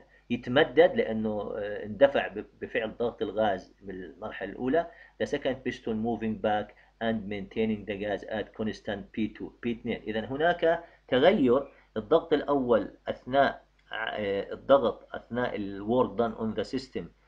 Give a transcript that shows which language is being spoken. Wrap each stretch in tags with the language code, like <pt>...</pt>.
<ar>يتمدد لأنه اندفع بفعل ضغط الغاز من المرحلة الأولى.</ar> <en>The second piston moving back and maintaining the gas at constant P2 P2.</en> <ar>إذا هناك تغير الضغط الأول أثناء الضغط أثناء ال</ar> <en>work done on the system.</en>